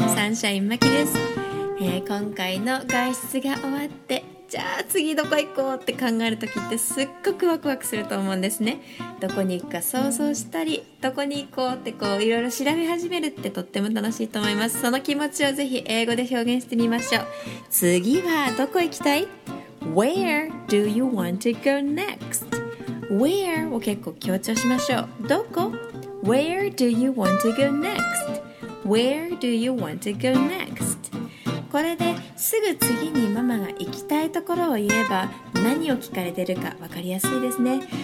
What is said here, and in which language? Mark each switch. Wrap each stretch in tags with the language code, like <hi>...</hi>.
<ja>サンシャインマキです、今回の外出が終わってじゃあ次どこ行こうって考える時ってすっごくワクワクすると思うんですね。どこに行くか想像したりどこに行こうってこういろいろ調べ始めるってとっても楽しいと思います。その気持ちをぜひ英語で表現してみましょう。次はどこ行きたい？</ja> <en>Where do you want to go next?</en> <ja>Where を結構強調しましょう。どこ？</ja> <en>Where do you want to go next? Where do you want to go next?</en> <ja>これですぐ次にママが行きたいところを言えば何を聞かれてるか分かりやすいですね。</ja>